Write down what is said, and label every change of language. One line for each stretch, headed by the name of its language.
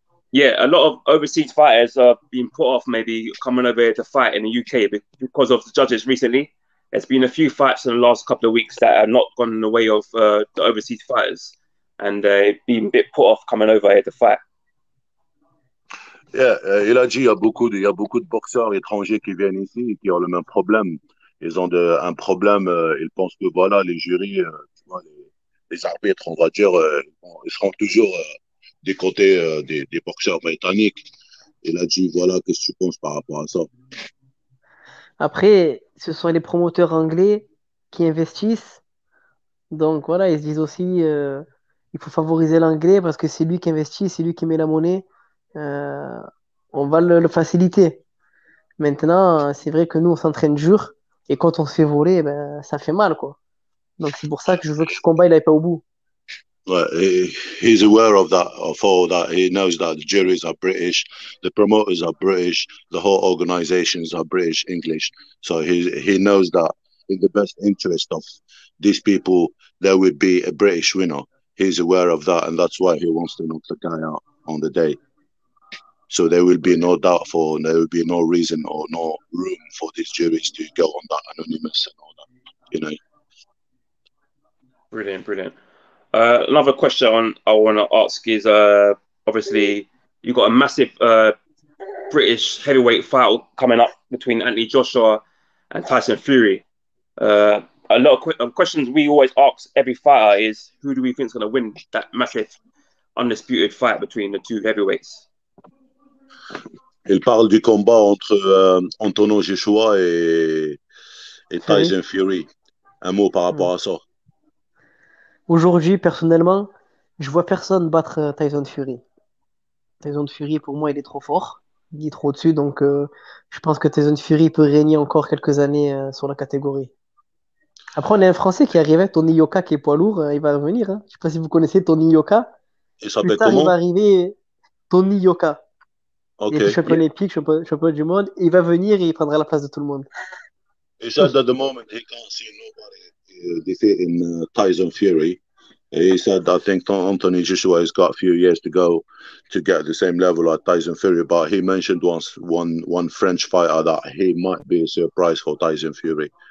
English: Yeah, a lot of overseas fighters are being put off maybe coming over here to fight in the UK because of the judges recently. There's been a few fights in the last couple of weeks that have not gone in the way of the overseas fighters and they've been a bit put off coming over here to fight.
French: Yeah, il a dit il y a beaucoup de boxeurs étrangers qui viennent ici et qui ont le même problème. Ils ont un problème, ils pensent que voilà, les jurys, tu vois, les arbitres, on va dire, ils seront toujours... des côtés des boxeurs britanniques. Il a dit, voilà, qu'est-ce que tu penses par rapport à ça? Après, ce sont les promoteurs anglais qui investissent. Donc voilà, ils se disent aussi il faut favoriser l'anglais parce que c'est lui qui investit, c'est lui qui met la monnaie. On va le faciliter. Maintenant, c'est vrai que nous, on s'entraîne dur et quand on se fait voler, ben, ça fait mal, quoi. Donc c'est pour ça que je veux que ce combat, il n'aille pas au bout.
English: He's aware of that, of all that. He knows that the juries are British, the promoters are British, the whole organizations are British English. So he knows that in the best interest of these people, there would be a British winner. He's aware of that, and that's why he wants to knock the guy out on the day. So there will be no doubt for, there will be no reason or no room for these juries to go on that anonymous and all that, you know. Brilliant, brilliant. Another question I want to ask is obviously you've got a massive British heavyweight fight coming up between Anthony Joshua and Tyson Fury. A lot of questions we always ask every fighter is who do we think is going to win that massive undisputed fight between the two heavyweights?
French: Il parle du combat entre Antonio Joshua et Fury. Tyson Fury. Un mot par rapport à ça. Aujourd'hui, personnellement, je vois personne battre Tyson Fury. Tyson Fury, pour moi, il est trop fort. Il est trop au-dessus, donc je pense que Tyson Fury peut régner encore quelques années sur la catégorie. Après, on a un Français qui arrivait, Tony Yoka, qui est poids lourd, il va revenir. Hein. Je ne sais pas si vous connaissez Tony Yoka. Il Plus s'appelle tard, il va comment? arriver Tony Yoka. Il Ok. était champion olympique, champion du monde. Il va venir et il prendra la place de tout le monde.
English: He says that the moment he can't see nobody defeating Tyson Fury, he said, I think Anthony Joshua has got a few years to go to get the same level as Tyson Fury. But he mentioned once one French fighter that he might be a surprise for Tyson Fury.